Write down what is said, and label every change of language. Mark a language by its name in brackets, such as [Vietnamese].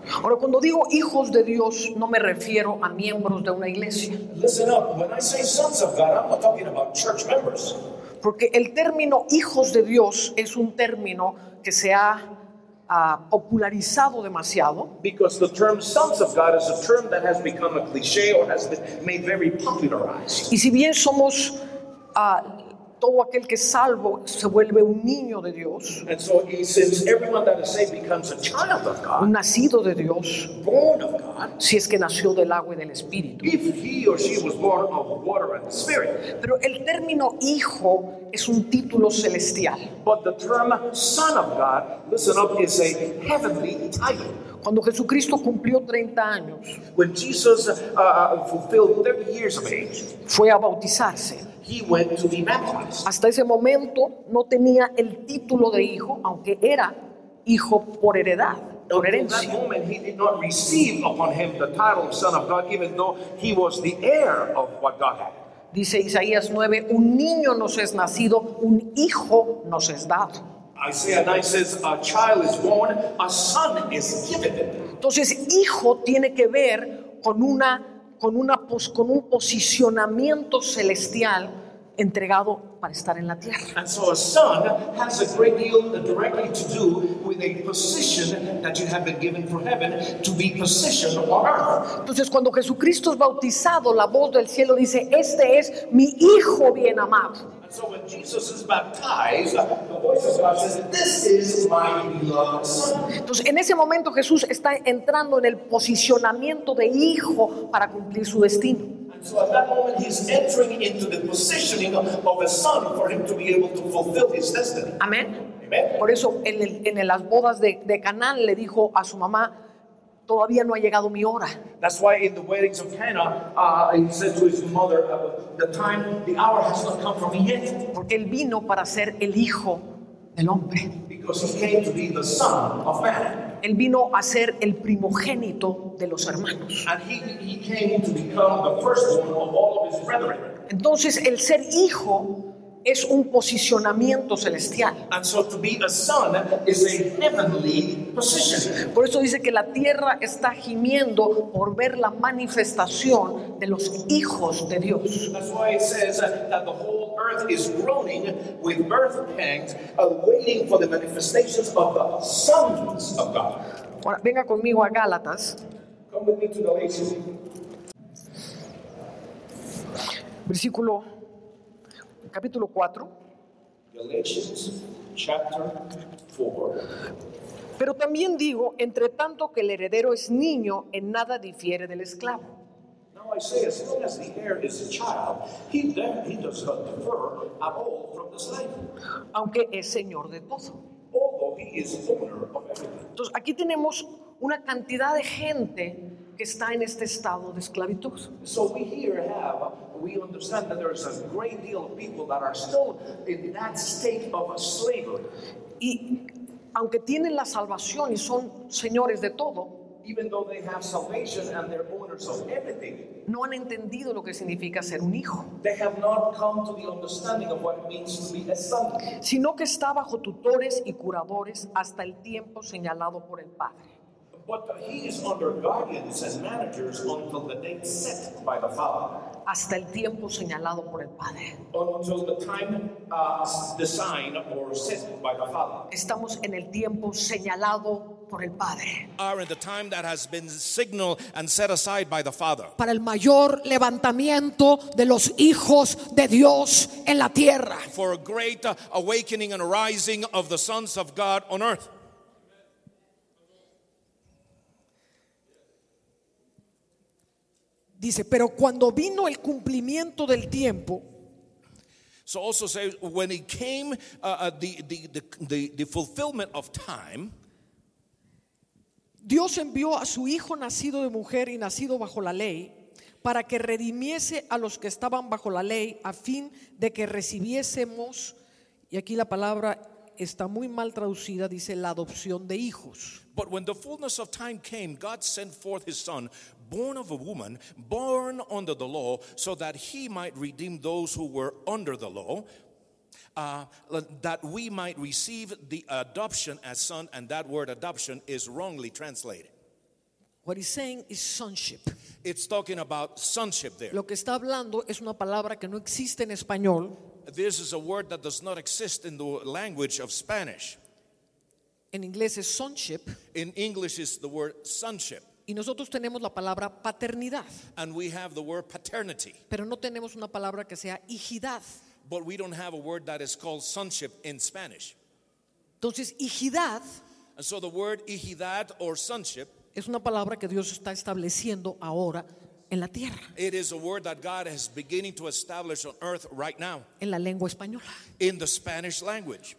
[Spanish] Ahora, cuando digo hijos de Dios, no me refiero a miembros de una iglesia. [English] Listen up, when I say sons of God, I'm not talking about church members. [Spanish] Porque el término hijos de Dios es un término que se ha popularizado demasiado. [English] Because the term sons of God is a term that has become a cliché or has been made very popularized. [Spanish] Y si bien somos todo aquel que es salvo se vuelve un niño de Dios. [English] And so, since everyone that is saved becomes a child of God, [Spanish] un nacido de Dios, [English] born of God, [Spanish] si es que nació del agua y del Espíritu. [English] If he or she was born of water and spirit. [Spanish] Pero el término hijo es un título celestial. [English] But the term son of God, listen up, is a heavenly title. [Spanish] Cuando Jesucristo cumplió 30 años, [English] when Jesus fulfilled 30 years of age, [Spanish] fue a bautizarse. [English] He went to be baptized. [Spanish] Hasta ese momento no tenía el título de hijo, aunque era hijo por heredad, por herencia. [English] At that moment he did not receive upon him the title of son of God, even though he was the heir of what God had. [Spanish] Dice Isaías 9, un niño nos es nacido, un hijo nos es dado. [English] Isaiah 9 says, a child is born, a son is given. [Spanish] Entonces, hijo tiene que ver con una con un posicionamiento celestial entregado para estar en la tierra. [English] And so a son has a great deal directly to do with a position that you have been given for heaven to be positioned on earth. [Spanish] Entonces cuando Jesucristo es bautizado, la voz del cielo dice, este es mi hijo bien amado. [English] And so when Jesus is baptized, the voice of God says, this is my beloved son. [Spanish] Entonces en ese momento Jesús está entrando en el posicionamiento de hijo para cumplir su destino. [English] So at that moment he's entering into the positioning of a son for him to be able to fulfill his destiny. [Spanish] Amén. [English] Amen. [Spanish] Por eso en las bodas de Caná le dijo a su mamá, todavía no ha llegado mi hora. [English] That's why in the weddings of Cana, he said to his mother, the hour has not come for me yet. [Spanish] Porque él vino para ser el hijo del hombre. [English] Because he came to be the son of man. [Spanish] Él vino a ser el primogénito de los hermanos. [English] And he came to become the firstborn of all of his brethren. [Spanish] Entonces, el ser hijo es un posicionamiento celestial. [English] And so to be a son is a heavenly position. [Spanish] Por eso dice que la tierra está gimiendo por ver la manifestación de los hijos de Dios. [English] That's why it says that the whole earth is groaning with birth pangs, awaiting for the manifestations of the sons of God. [Spanish] Ahora, venga conmigo a Gálatas. [English] Come with me to Galatians. [Spanish] Versículo, capítulo 4. [English] Galatians, chapter 4. [Spanish] Pero también digo, entre tanto que el heredero es niño, en nada difiere del esclavo. [English] Now I say, as long as the heir is a child, he does not differ at all from the slave. [Spanish] Aunque es señor de todo. [English] Although he is owner of everything. [Spanish] Entonces aquí tenemos una cantidad de gente que está en este estado de esclavitud. [English] So we here have, we understand that there is a great deal of people that are still in that state of a slavery. [Spanish] Y aunque tienen la salvación y son señores de todo, [English] even though they have salvation and they're owners of everything, [Spanish] no han entendido lo que significa ser un hijo. [English] They have not come to the understanding of what it means to be a son. [Spanish] Sino que está bajo tutores y curadores hasta el tiempo señalado por el Padre. [English] But he is under guardians and managers until the date set by the Father. [Spanish] Hasta el tiempo señalado por el Padre. [English] Until the time designed or set by the Father. [Spanish] Estamos en el tiempo señalado por el Padre. [English] Are in the time that has been signaled and set aside by the Father. [Spanish] Para el mayor levantamiento de los hijos de Dios en la tierra. [English] For a great awakening and rising of the sons of God on earth. [Spanish] Dice, pero cuando vino el cumplimiento del tiempo. [English] So also say, when it came the fulfillment of time. [Spanish] Dios envió a su hijo nacido de mujer y nacido bajo la ley para que redimiese a los que estaban bajo la ley a fin de que recibiésemos, y aquí la palabra está muy mal traducida, dice la adopción de hijos. [English] But when the fullness of time came, God sent forth his son, born of a woman, born under the law, so that he might redeem those who were under the law, that we might receive the adoption as son. And that word adoption is wrongly translated. What he's saying is sonship. It's talking about sonship there. [Spanish] Lo que está hablando es una palabra que no existe en español. [English] This is a word that does not exist in the language of Spanish. [Spanish] En inglés es sonship. [English] In English is the word sonship. [Spanish] Y nosotros tenemos la palabra paternidad. [English] And we have the word paternity. [Spanish] Pero no tenemos una palabra que sea hijidad. [English] But we don't have a word that is called sonship in Spanish. [Spanish] Entonces, hijidad. [English] And so the word hijidad or sonship [Spanish] es una palabra que Dios está estableciendo ahora en la tierra. [English] It is a word that God is beginning to establish on earth right now. [Spanish] En la lengua española. [English] In the Spanish language.